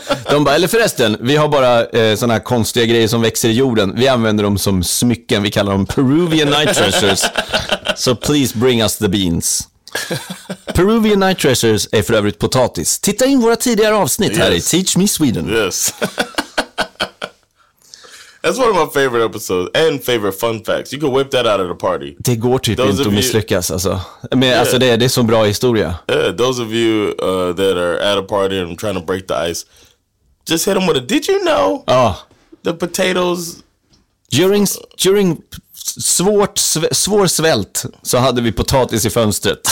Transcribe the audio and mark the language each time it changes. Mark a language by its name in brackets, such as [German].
[Swedish] De bara, eller förresten, vi har bara såna här konstiga grejer som växer i jorden. Vi använder dem som smycken. Vi kallar dem Peruvian night treasures. [English] So please bring us the beans. Peruvian night treasures [Swedish] är för övrigt potatis. Titta in våra tidigare avsnitt, yes. Här i Teach Me Sweden. [English] Yes. That's one of my favorite episodes and favorite fun facts. You can whip that out of the party. [Swedish] Det går typ those inte att misslyckas, alltså. Men yeah. Alltså, det är så bra historia. [English] Yeah, those of you that are at a party and trying to break the ice, just hit them with a, did you know? [Swedish] Ja. Oh. [English] The potatoes. During [Swedish] svår svält så hade vi potatis i fönstret.